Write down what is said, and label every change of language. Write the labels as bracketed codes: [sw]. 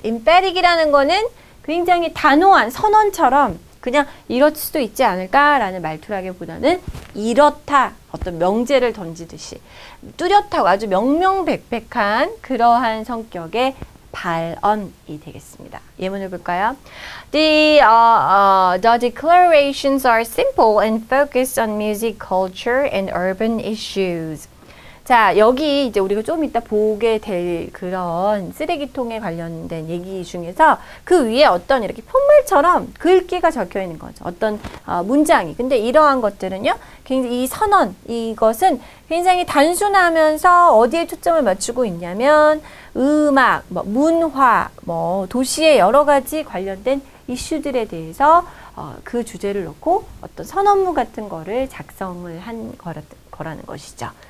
[ko] Emphatic이라는 거는 굉장히 단호한 선언처럼 그냥 이럴 수도 있지 않을까라는 말투라기보다는 이렇다, 어떤 명제를 던지듯이 뚜렷하고 아주 명명백백한 그러한 성격의 발언이 되겠습니다. 예문을 볼까요? [en] The declarations are simple and focused on music, culture, and urban issues. [ko] 자, 여기 이제 우리가 좀 이따 보게 될 그런 쓰레기통에 관련된 얘기 중에서 그 위에 어떤 이렇게 푯말처럼 글귀가 적혀 있는 거죠. 어떤 문장이. 근데 이러한 것들은요, 굉장히 이 선언, 이것은 굉장히 단순하면서 어디에 초점을 맞추고 있냐면 음악, 뭐 문화, 뭐 도시의 여러 가지 관련된 이슈들에 대해서 그 주제를 놓고 어떤 선언문 같은 거를 작성을 한 거라는 것이죠.